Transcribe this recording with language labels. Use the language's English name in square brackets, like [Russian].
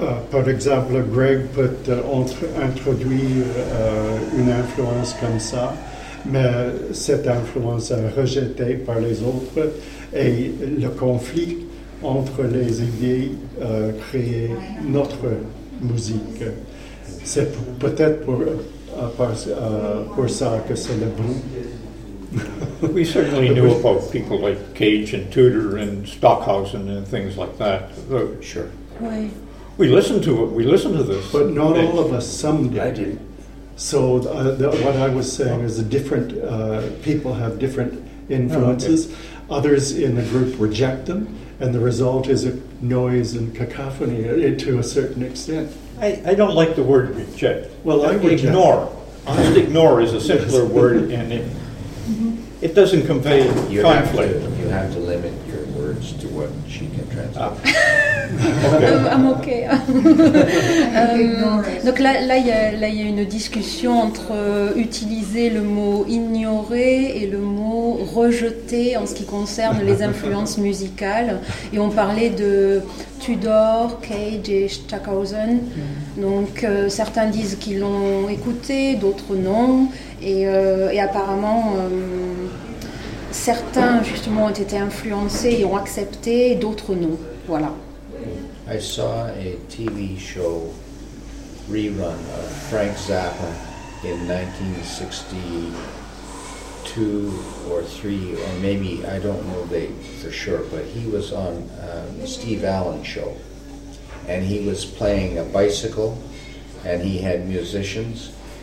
[French] Par exemple, Greg peut introduire une influence comme ça, mais cette influence est rejetée par les autres. Et le conflit entre les idées crée notre musique. C'est peut-être pour ça que c'est le bruit. [English] We certainly knew about people like Cage and Tudor and Stockhausen and things like that. Oh, sure. [French] Oui. [English] We listened to it. We listened to this. But not all of us. Some did. I did. So what I was saying is different people have different influences. Oh, okay. Others in the group reject them, and the result is a noise and cacophony to a certain extent. I don't like the word reject. Well, I would ignore. Honest ignore is a simpler word, and it doesn't convey conflict. You have to limit your words to what she can translate. I'm okay. [French] Donc là, il y a une discussion entre utiliser le mot ignorer et le mot rejeter en ce qui concerne les influences musicales. Et on parlait de Tudor, Cage et Stockhausen. Donc certains disent qu'ils l'ont écouté, d'autres non. Et apparemment. Certains justement ont été influencés et ont accepté, et d'autres non. Voilà. [English] I saw a TV show rerun of Frank Zappa in 1962 or 3, or maybe I don't know the date for sure, but he was on Steve Allen's show, and he was playing a bicycle, and he had musicians.